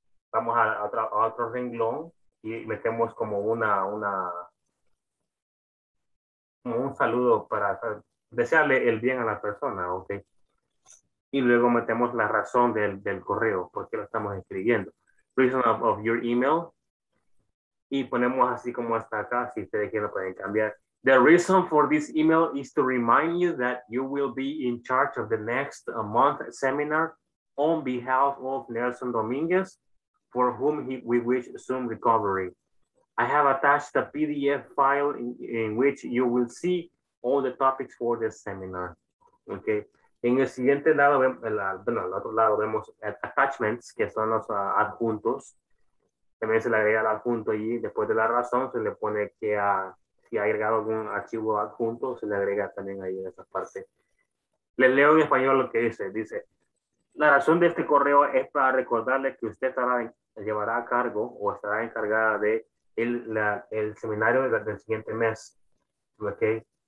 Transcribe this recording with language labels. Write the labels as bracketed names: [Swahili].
[Spanish] Vamos a otro renglón y metemos como un saludo para desearle el bien a la persona, ¿ok? Y luego metemos la razón del correo, por qué lo estamos escribiendo. [English] Reason of your email. [Spanish] Y ponemos así como está acá, si ustedes quieren pueden cambiar. [English] The reason for this email is to remind you that you will be in charge of the next month seminar on behalf of Nelson Dominguez, for whom we wish soon recovery. I have attached a PDF file in which you will see all the topics for this seminar. Okay. [Spanish] En el siguiente lado, al otro lado vemos attachments, que son los adjuntos. También se le agrega el adjunto allí. Después de la razón, se le pone que a... Si ha agregado algún archivo adjunto, se le agrega también ahí en esa parte. Les leo en español lo que dice. Dice, la razón de este correo es para recordarle que usted llevará a cargo o estará encargada de el seminario del siguiente mes. Ok.